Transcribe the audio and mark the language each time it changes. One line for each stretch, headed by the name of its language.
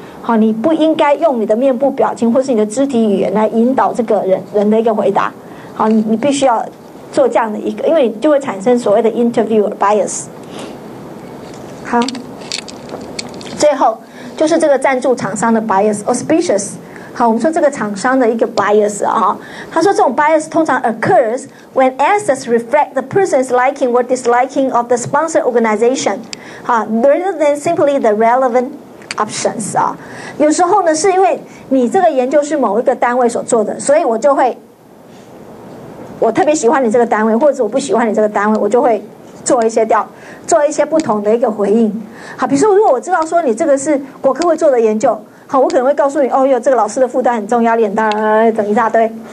Chinese: 好，你不应该用你的面部表情或是你的肢体语言来引导这个人的一个回答。好，你必须要做这样的一个，因为你就会产生所谓的 interviewer bias。好，最后就是这个赞助厂商的 bias auspicious。好，我们说这个厂商的一个 bias 啊，他说这种 bias 通常
English: occurs when answers reflect the person's liking or disliking of the sponsor organization， 好， rather than simply the relevant options 啊。
Chinese: 有时候呢，是因为你这个研究是某一个单位所做的，所以我特别喜欢你这个单位，或者我不喜欢你这个单位，我就会做一些不同的一个回应。好，比如说如果我知道说你这个是国科会做的研究。好，我可能会告诉你，哦哟，这个老师的负担很重，压力很大，等一大堆。